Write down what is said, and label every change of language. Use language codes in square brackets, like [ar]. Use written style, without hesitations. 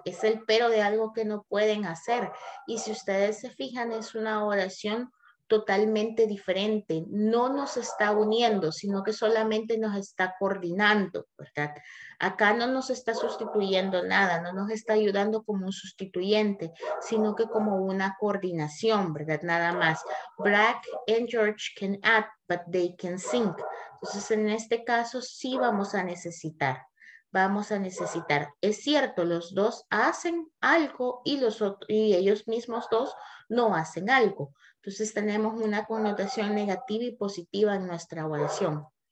[es] Es el pero de algo que no pueden hacer. Y si ustedes se fijan, es una oración totalmente diferente. No nos está uniendo, sino que solamente nos está coordinando, ¿verdad? Acá no nos está sustituyendo nada, no nos está ayudando como un sustituyente, sino que como una coordinación, ¿verdad? Nada más. [en] Brad and George can act, but they can sing. [es] Entonces, en este caso, sí vamos a necesitar. Vamos a necesitar. Es cierto, los dos hacen algo y los otros, y ellos mismos dos no hacen algo. Entonces, tenemos una connotación negativa y positiva en nuestra oración.